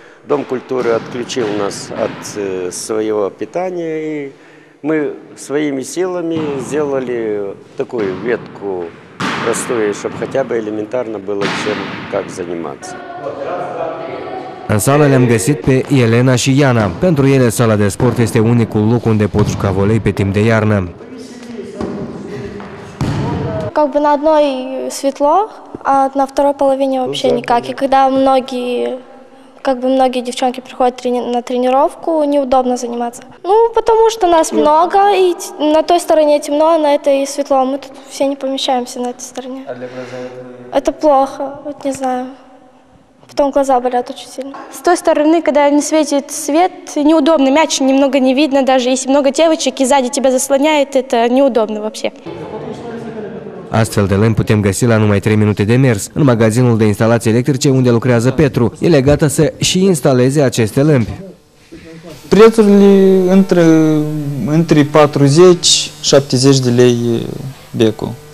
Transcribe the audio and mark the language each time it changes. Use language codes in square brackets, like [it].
[ru] Дом культуры отключил нас от своего питания, и мы своими силами сделали такую ветку простую, чтобы хотя бы элементарно было чем как заниматься. [ro] În sală le-am găsit pe Elena și Iana. Pentru ele, sala de sport este unicul loc unde pot juca volei pe timp de iarnă. [ru] Как бы на одной светло, а на второй половине вообще никак. И когда многие девчонки приходят на тренировку, неудобно заниматься. Ну, потому что нас много, и на той стороне темно, а на этой светло. Мы тут все не помещаемся на этой стороне. А для глаза это плохо, вот не знаю. Потом глаза болят очень сильно. С той стороны, когда не светит свет, неудобно, мяч немного не видно, даже если много девочек и сзади тебя заслоняет, это неудобно вообще. [ro] Astfel de lămpi putem găsi la numai 3 minute de mers, în magazinul de instalații electrice unde lucrează Petru. El e gata să și instaleze aceste lămpi. Prețurile între 40-70 de lei becul.